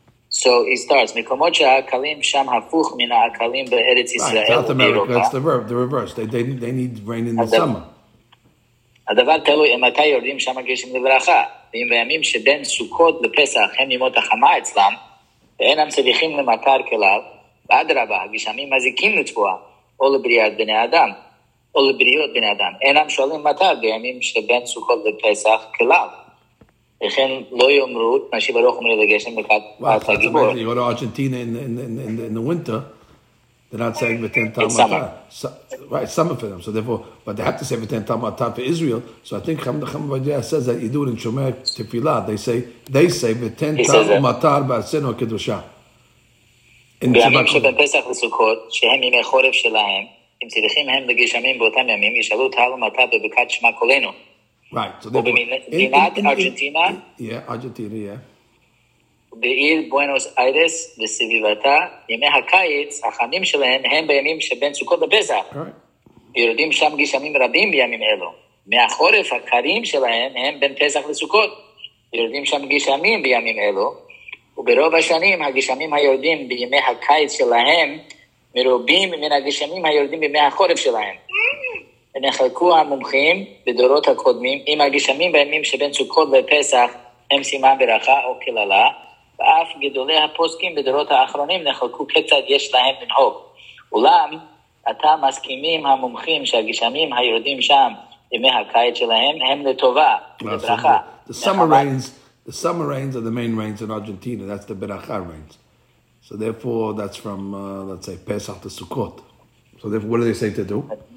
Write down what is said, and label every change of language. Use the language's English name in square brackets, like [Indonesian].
[English] So he starts, [Hebrew] מקומות שהאקלים שם הפוך מן האקלים בארץ ישראל ובאירופה. [English] That's the verb, the reverse. They need rain in the summer. [Hebrew] הדבר תלוי, מתי יורדים שם הגשם לברכה? ואם בימים שבין סוכות לפסח הם ימות החמה אצלם, ואינם צריכים למטר כלל, ועד רבה, הגשמים מזיקים לתבואה, או לבריאת בני אדם, או לבריאות בני אדם. אינם שואלים מטר בימים שבין סוכות לפסח כלל. לכן לא יאמרו, מה שברוך אומר לגשם בקעת הגיבור. [English] You go to Argentina in the winter, they're not saying [Hebrew] ותן תל מטר. [English] Right, summer for them. So therefore, but they have to say [Hebrew] ותן תל מטר [English] for Israel. So I think Chaim Avadia says that you do it in [Hebrew] שומר תפילה. [English] They say [Hebrew] ותן תל מטר בארצנו הקדושה. בימים שבין פסח לסוכות, שהם ימי חורף שלהם, אם צריכים הם לגשמים באותם ימים, ישאלו תל מטר בבקעת שמע קולנו. [English] Right. So Argentina. Yeah, [Hebrew] בעיר בואנוס איירס וסביבתה, ימי הקיץ, החמים שלהם הם בימים שבין סוכות לפסח. [English] Right. [Hebrew] יורדים שם גשמים רבים בימים אלו. מהחורף הקרים שלהם הם בין פסח לסוכות. יורדים שם גשמים בימים אלו, וברוב השנים הגשמים היורדים בימי הקיץ שלהם מרובים מן הגשמים היורדים בימי החורף שלהם. ונחלקו המומחים בדורות הקודמים, אם הגשמים בימים שבין סוכות לפסח הם סימן ברכה או כללה, ואף גדולי הפוסקים בדורות האחרונים נחלקו כיצד יש להם לנהוג. אולם, אתה מסכימים המומחים שהגשמים היורדים שם בימי הקיץ שלהם הם לטובה, לברכה. [English] The summer rains are the main rains in Argentina. That's the Beracha rains. So therefore, that's from, let's say, Pesach to Sukkot. So therefore, what do they say to do?